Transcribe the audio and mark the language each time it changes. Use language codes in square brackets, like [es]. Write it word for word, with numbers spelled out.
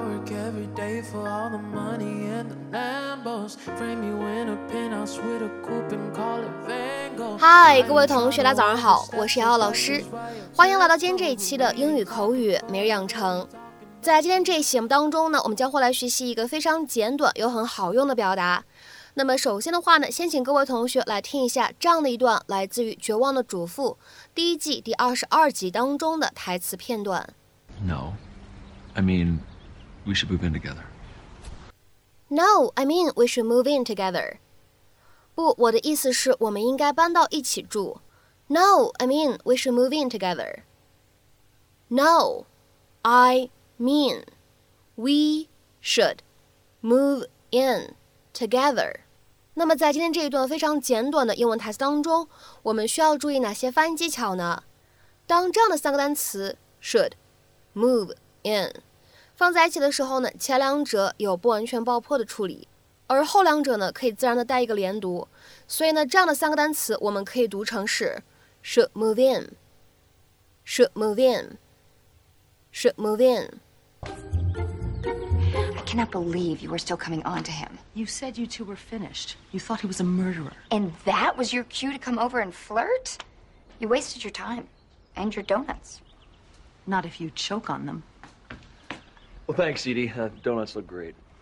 [en] every day for all the money and the Lambos. Frame you in a penthouse with a coupe and call it Van Gogh. [zh] 嗨，各位同学，大家早上好，我是瑶瑶老师，欢迎来到今天这一期的英语口语每日养成。在今天这一节目当中呢，我们将会来学习一个非常简短又很好用的表达。那么首先的话呢，先请各位同学来听一下这样的一段来自于《绝望的主妇》第一季第二十二集当中的台词片段。 [en] No, I mean, we should move in together. No, I mean, we should move in together. [zh] 不，我的意思是我们应该搬到一起住。 [en] No, I mean, we should move in together. No, I mean, we should move in together. [zh] 那么在今天这一段非常简短的英文台词当中，我们需要注意哪些发音技巧呢？当这样的三个单词 [en] should move in 放在一起的时候呢，前两者有不完全爆破的处理，而后两者呢可以自然的带一个连读，所以呢这样的三个单词我们可以读成是 should move in [zh] should move in should move in。 [en] I cannot believe you were still coming on to him. You said you two were finished. You thought he was a murderer. And that was your cue to come over and flirt? You wasted your time. And your donuts. Not if you choke on them. Well, thanks, Edie. Uh, donuts look great.